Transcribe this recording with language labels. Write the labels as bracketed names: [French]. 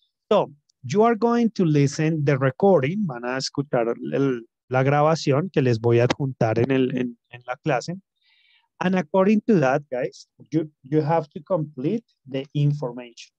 [English] So, you are going to listen the recording. [Spanish] Van a escuchar la grabación que les voy a adjuntar en la clase. [English] And according to that, guys, you have to complete the information.